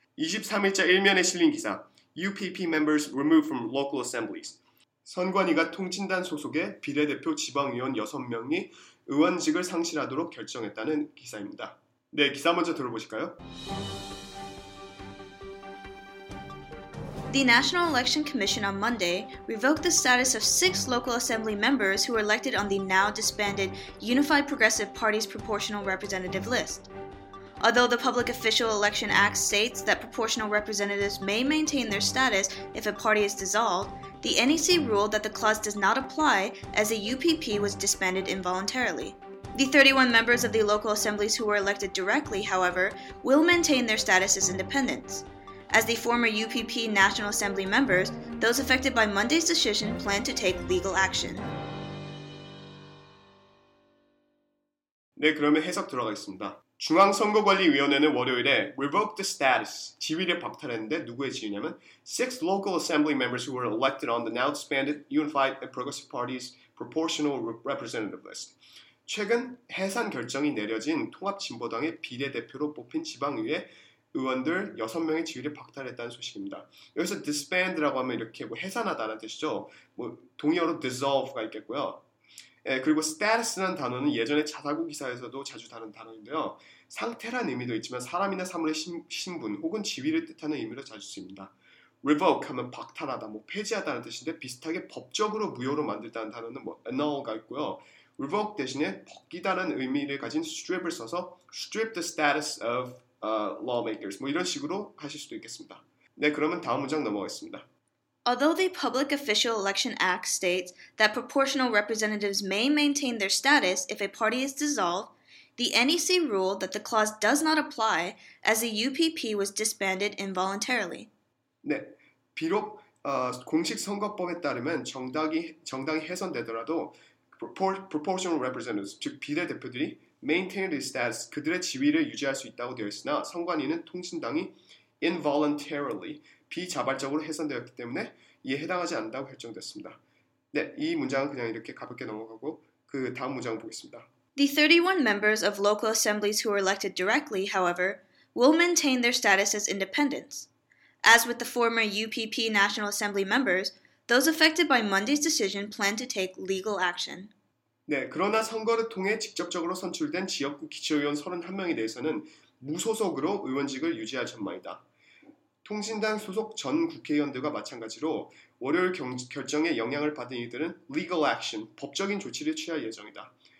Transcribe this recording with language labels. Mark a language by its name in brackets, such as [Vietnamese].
[Korean] 23일자 1면에 실린 기사, [English] UPP members removed from local assemblies. [Korean] 선관위가 통진단 소속의 비례대표 지방의원 6명이 의원직을 상실하도록 결정했다는 기사입니다. 네, 기사 먼저 들어보실까요? [English] The National Election Commission on Monday revoked the status of 6 local assembly members who were elected on the now-disbanded Unified Progressive Party's proportional representative list. Although the Public Official Election Act states that proportional representatives may maintain their status if a party is dissolved, the NEC ruled that the clause does not apply as the UPP was disbanded involuntarily. The 31 members of the local assemblies who were elected directly, however, will maintain their status as independents. As the former UPP National Assembly members, those affected by Monday's decision plan to take legal action. [Korean] 네, 그러면 해석 들어가겠습니다. 중앙선거관리위원회는 월요일에 [English] revoke the status, [Korean] 지위를 박탈했는데 누구의 지위냐면 [English] six local assembly members who were elected on the now disbanded Unified and Progressive Party's proportional representative list. [Korean] 최근 해산 결정이 내려진 통합진보당의 비례대표로 뽑힌 지방의회 의원들 6명의 지위를 박탈했다는 소식입니다. 여기서 disband라고 하면 이렇게 뭐 해산하다는 뜻이죠. 뭐 동의어로 dissolve가 있겠고요. 예, 그리고 status라는 단어는 예전에 자사고 기사에서도 자주 다른 단어인데요. 상태란 의미도 있지만 사람이나 사물의 신분 혹은 지위를 뜻하는 의미로 자주 씁니다. revoke 하면 박탈하다, 뭐 폐지하다는 뜻인데 비슷하게 법적으로 무효로 만들다는 단어는 뭐 annul가 있고요. revoke 대신에 벗기다는 의미를 가진 strip을 써서 [English] strip the status of lawmakers [Korean] 뭐 이런 식으로 하실 수도 있겠습니다. 네, 그러면 다음 문장 넘어가겠습니다. [English] Although the Public Official Election Act states that proportional representatives may maintain their status if a party is dissolved, the NEC ruled that the clause does not apply as the UPP was disbanded involuntarily. [Korean] 네, 비록 공식 선거법에 따르면 정당이 해산되더라도 proportional representatives, 즉 비례대표들이 [English] maintain their status, [Korean] 그들의 지위를 유지할 수 있다고 되어 있으나 선관위는 통신당이 involuntarily, 비자발적으로 해산되었기 때문에 이에 해당하지 않는다고 결정됐습니다. 네, 이 문장은 그냥 이렇게 가볍게 넘어가고 그 다음 문장을 보겠습니다. [English] The 31 members of local assemblies who were elected directly, however, will maintain their status as independents. As with the former UPP National Assembly members, those affected by Monday's decision plan to take legal action. [Korean] 네, 그러나 선거를 통해 직접적으로 선출된 지역구 기초의원 31명에 대해서는 무소속으로 의원직을 유지할 전망이다. 통신당 소속 전 국회의원들과 마찬가지로 월요일 결정에 영향을 받은 이들은 legal action, 법적인 조치를 취할 예정이다.